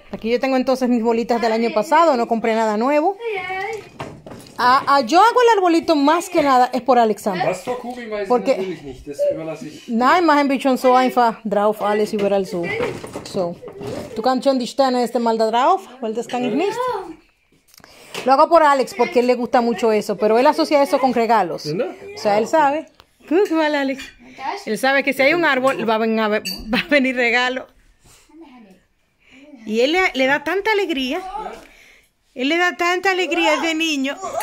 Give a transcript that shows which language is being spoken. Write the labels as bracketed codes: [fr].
[es] Aquí yo tengo entonces mis bolitas del año pasado, no compré nada nuevo. Yo hago el arbolito más que nada es por Alexander. Porque [de] nein, machen wir schon so einfach drauf alles überall so. So. Du kannst schon die Sterne [es] este [de] mal da drauf, weil das kann ich nicht. [es] Lo hago por Alex porque él le gusta mucho eso, pero él asocia eso con regalos. O sea, él sabe. ¿Qué vale, Alex? Él sabe que si hay un árbol va a venir regalo. Y él le da tanta alegría. Él le da tanta alegría a ese niño.